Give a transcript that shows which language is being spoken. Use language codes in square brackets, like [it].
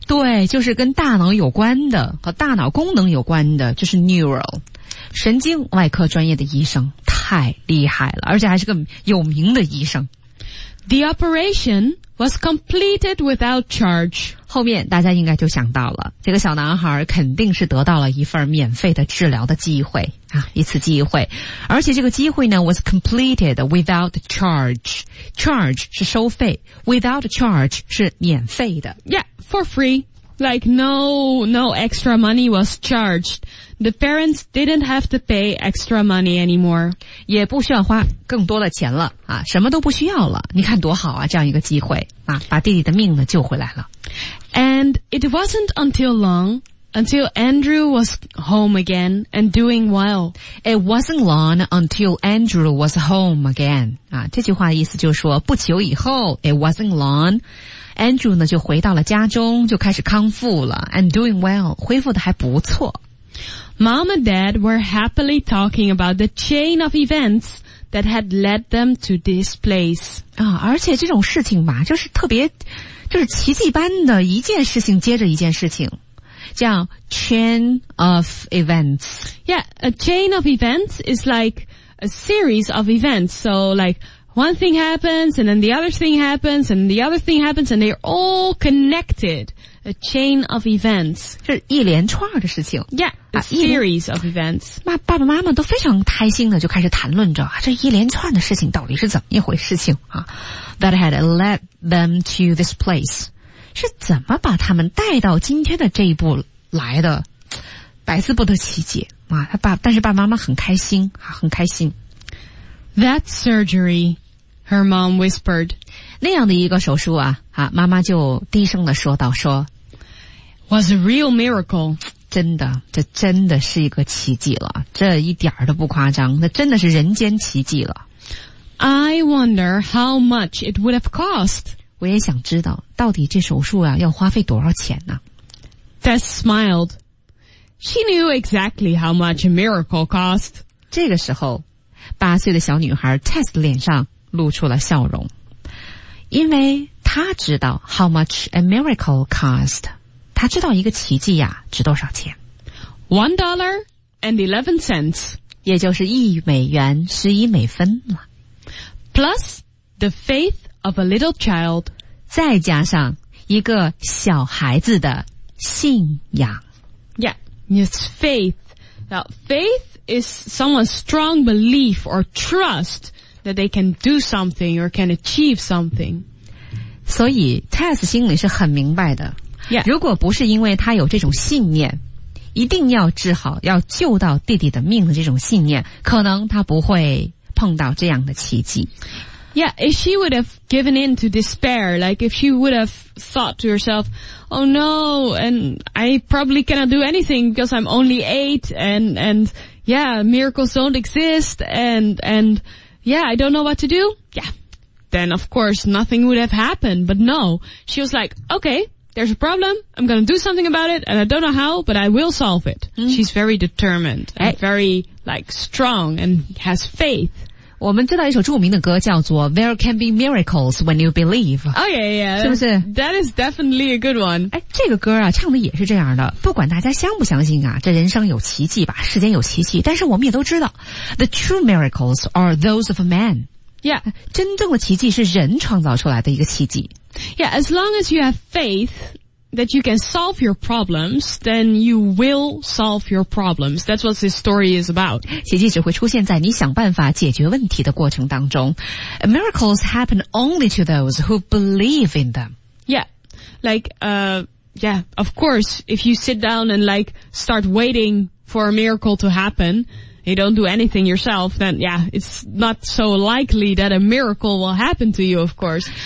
[zh] 对，就是跟大脑有关的，和大脑功能有关的，就是 neuro。神经外科专业的医生，太厉害了，而且还是个有名的医生。 [en] The operation... was completed without charge. [zh] 后面大家应该就想到了，这个小男孩肯定是得到了一份免费的治疗的机会啊，一次机会。而且这个机会呢 [en] was completed without charge. [zh] Charge 是收费， without charge 是免费的。 [en] Yeah, for free. Like no extra money was charged. The parents didn't have to pay extra money anymore. [zh] 也不需要花更多的钱了啊，什么都不需要了，你看多好啊，这样一个机会啊，把弟弟的命呢救回来了。 [en] And it wasn't until long until Andrew was home again and doing well. It wasn't long until Andrew was home again. [zh] 啊，这句话的意思就是说不久以后 , [en] it wasn't long, [zh] Andrew 呢就回到了家中，就开始康复了 , [en] and doing well, [zh] 恢复的还不错。 [en] Mom and Dad were happily talking about the chain of events that had led them to this place. [zh] 啊，而且这种事情吧，就是特别，就是奇迹般的一件事情接着一件事情，叫 chain of events. [en] Yeah, a chain of events is like a series of events. So like one thing happens and then the other thing happens and the other thing happens and they're all connected. A chain of events. [zh] 是一连串的事情。 [en] Yeah, a series of events. [zh] 爸爸妈妈都非常开心的就开始谈论着这一连串的事情到底是怎么一回事情啊。 [en] That had led them to this place. [zh] 是怎么把他们带到今天的这一步来的，百思不得其解啊。但是爸爸妈妈很开心啊，很开心。 [en] That surgery,Her mom whispered. [zh] 那样的一个手术啊，啊，妈妈就低声地说道，说 [en] ,was a real miracle. [zh] 真的，这真的是一个奇迹了，这一点都不夸张，那真的是人间奇迹了。 [en] I wonder how much it would have cost. [zh] 我也想知道，到底这手术啊，要花费多少钱呢？ [en] Tess smiled. She knew exactly how much a miracle cost. [zh] 这个时候，八岁的小女孩 Tess 的脸上露出了笑容，因为他知道 [en] how much a miracle cost， [zh] 他知道一个奇迹呀值多少钱。 [en] $1.11， [zh] 也就是$1.11了。 [en] Plus the faith of a little child， [zh] 再加上一个小孩子的信仰。 [en] Yeah, it's faith. Now, faith is someone's strong belief or trust that they can do something or can achieve something. [zh] 所以 Tess 心里是很明白的。 [en] Yeah. [zh] 如果不是因为他有这种信念，一定要治好，要救到弟弟的命的这种信念，可能他不会碰到这样的奇迹。 [en] Yeah, if she would have given in to despair, like if she would have thought to herself, oh no, and I probably cannot do anything because I'm only eight, and yeah, miracles don't exist, and yeah, I don't know what to do. Yeah. Then of course nothing would have happened, but no. She was like, okay, there's a problem, I'm gonna do something about it, and I don't know how, but I will solve it. Mm. She's very determined, and very, like, strong, and has faith. [zh] 我们知道一首著名的歌叫做 There Can Be Miracles When You Believe. [en] Oh yeah, yeah. [zh] 是不是 [en] That is definitely a good one. [zh] 这个歌啊唱的也是这样的。不管大家相不相信啊，这人生有奇迹吧，世间有奇迹，但是我们也都知道 [en] The true miracles are those of a man. Yeah. [zh] 真正的奇迹是人创造出来的一个奇迹。 [en] Yeah, as long as you have faith that you can solve your problems, then you will solve your problems. That's what this story is about. [zh] 奇迹只会出现在你想办法解决问题的过程当中。 [en] Miracles happen only to those who believe in them. Yeah, like, yeah, of course, if you sit down and, like, start waiting for a miracle to happen, you don't do anything yourself, then, yeah, it's not so likely that a miracle will happen to you, of course.